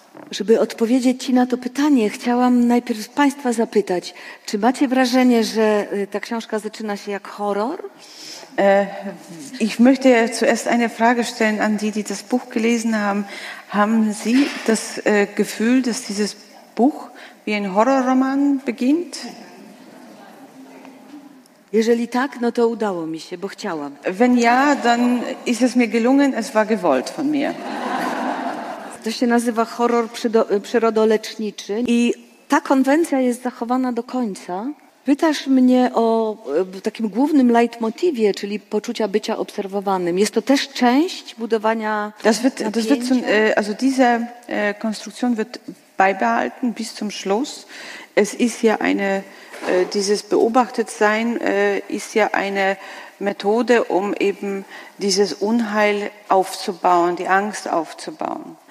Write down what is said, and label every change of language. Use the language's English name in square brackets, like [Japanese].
[Polish] Żeby odpowiedzieć Ci na to pytanie, chciałam najpierw Państwa zapytać, czy macie wrażenie, że ta książka zaczyna się jak horror? [German] Ich möchte ja zuerst eine Frage stellen an die, die das Buch gelesen haben. Haben Sie das Gefühl, dass dieses Buch wie ein Horrorroman beginnt? [Polish] Jeżeli tak, no to udało mi się, bo chciałam. [German] Wenn ja, dann ist es mir gelungen, es war gewollt von mir. [Polish] To się nazywa horror przyrodoleczniczy i ta konwencja jest zachowana do końca. Pytasz mnie o takim głównym leitmotivie, czyli poczucia bycia obserwowanym. Jest to też część budowania [German] Also diese Konstruktion wird beibehalten bis zum Schluss. Es ist ja eine dieses Beobachtetsein ist ja eine Methode, um eben dieses Unheil aufzubauen, die Angst aufzubauen.